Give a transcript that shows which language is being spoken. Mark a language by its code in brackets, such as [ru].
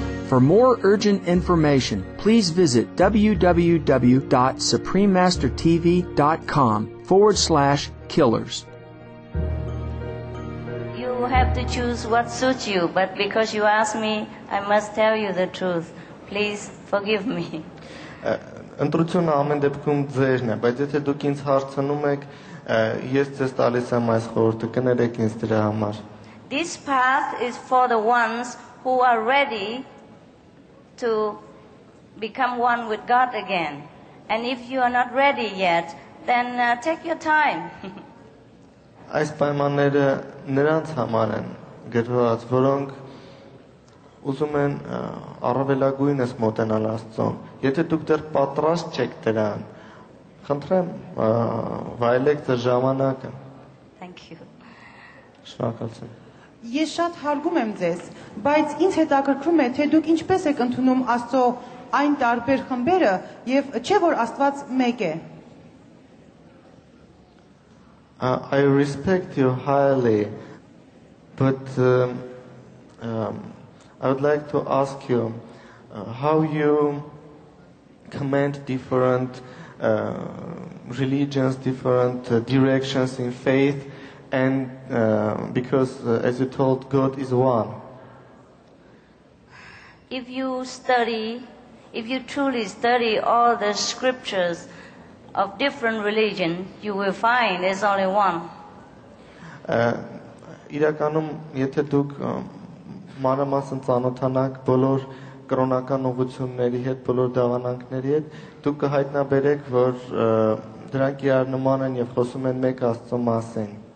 [en] For more urgent information, please visit www.suprememastertv.com/killers. You have to choose what suits you, but because you asked me, I must tell you the truth. Please forgive me. [hy] Ընտրությունը ամեն դեպքում ձերն է, բայց եթե դուք ինձ հարցնում եք, ես ձեզ տալիս եմ այս խորհուրդը, կներեք ինձ դրա համար. [en] This path is for the ones who are ready to become one with God again. And if you are not ready yet, then take your time. [hy] Այս պայմանները նրանց համար են գրված, որոնք ուզում են առավելագույնս մոտենալ Աստծուն։ Եթե դուք դեռ պատրաստ չեք դրան, խնդրեմ վայելեք ձեր ժամանակը։ [en] Thank you. [hy] Շնորհակալություն։ Ես շատ հարգում եմ ձեզ, բայց ինձ հետաքրքրում է, թե դուք ինչպես եք ընդունում Աստծո այն տարբեր խմբերը, եւ չէ՞ որ Աստված մեկ է։ [en] I respect you highly, but I would like to ask you how you commend different religions, different directions in faith. And because, as you told, God is one. If you study, if you truly study all the scriptures of different religion, you will find there's only one. [hy] Իրականում, եթե դուք մանրամասն ծանոթանաք բոլոր կրոնական ուղղությունների հետ, բոլոր դավանանքների հետ, դուք կհայտնաբերեք, որ դրանք իրար նման են եւ խոսում են մեկ Աստծո մասին.